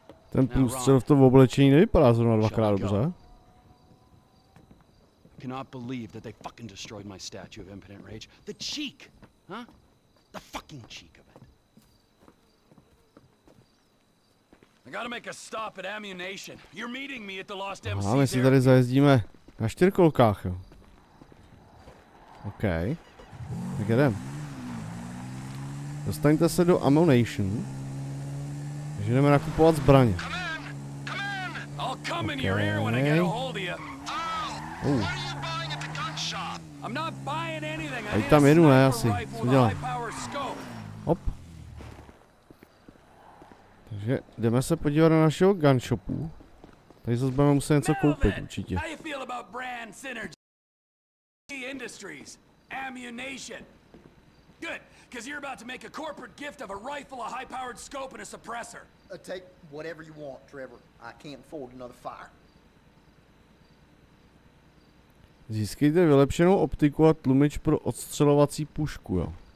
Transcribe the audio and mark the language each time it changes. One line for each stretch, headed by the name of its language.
Czech: Ten půstřel v tom oblečení nevypadá zrovna dvakrát dobře.
English: I cannot believe that they fucking destroyed my statue of impotent rage. The cheek, huh? The fucking cheek of it. I gotta make a stop at Ammunition. You're meeting me at the Lost MC.
Czech: My si tady zajezdíme na čtyřkolkách, jo. OK. Tak jedem. Dostaňte se do Ammunition. Takže jdeme nakupovat zbraně.
English: Come in! I'll come in your ear when I get a hold of you. I'm not buying anything. I need a sniper rifle with a high-power scope. Hop.
Czech: Takže jdeme se podívat na našeho gun shopu. Tady zase budeme muset něco koupit určitě.
English: How do you feel about brand synergy? Industries, ammunition. Good, because you're about to make a corporate gift of a rifle, a high-powered scope, and a suppressor. Take whatever you want, Trevor. I can't afford another fire.
Czech: Získejte vylepšenou optiku a tlumič pro odstřelovací pušku, jo.